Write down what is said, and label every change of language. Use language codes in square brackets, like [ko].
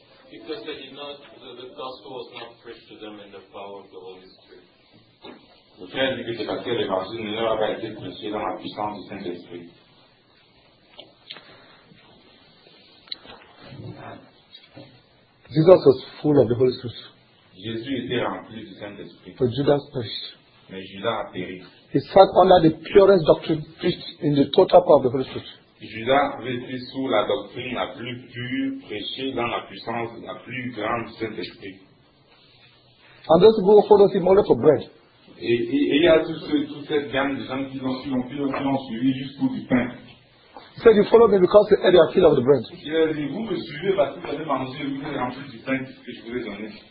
[en] Because they did not, the gospel was not preached to them in the power of the Holy Spirit. [fr] Le Père dit que c'est parce que l'évangile ne leur a pas été prêché dans la puissance du Saint-Esprit. [en] Jesus was full of the Holy Spirit. [fr] Jésus était rempli du Saint-Esprit. [en] But Judas perished. [fr] Mais Judas a péri. [en] He sat under the purest doctrine preached in the total power of the Holy Spirit. [fr] Judas était sous la doctrine la plus pure prêchée dans la puissance la plus grande du Saint-Esprit. [en] And those who followed him only for bread. [fr] Et il y a toute cette gamme de gens qui l'ont suivi juste pour du pain. [en] He said, you follow me because you had your fill of the bread. [fr] Il a dit, vous me suivez parce que vous avez mangé, vous avez rempli du pain que je vous ai donné.